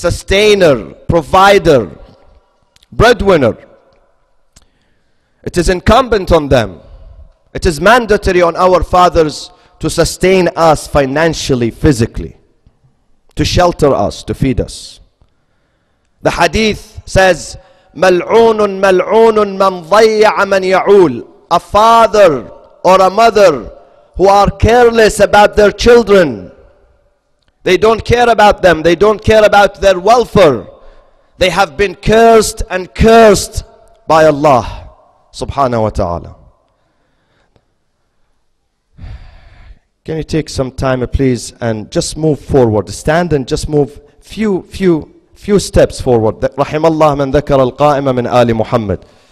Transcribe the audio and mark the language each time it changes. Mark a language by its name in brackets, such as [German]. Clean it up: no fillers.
[English] sustainer, provider, breadwinner. It is incumbent on them. It is mandatory on our fathers to sustain us financially, physically, to shelter us, to feed us. The hadith says, [Arabic] مَلْعُونٌ مَلْعُونٌ مَنْ ضَيَّعَ مَنْ يَعُولُ. [English] A father or a mother who are careless about their children. They don't care about them. They don't care about their welfare. They have been cursed and cursed by Allah subhanahu wa ta'ala. Can you take some time, please, and just move forward. Stand and just move few steps forward. [Arabic] رحم الله من ذكر القائمة من آل محمد.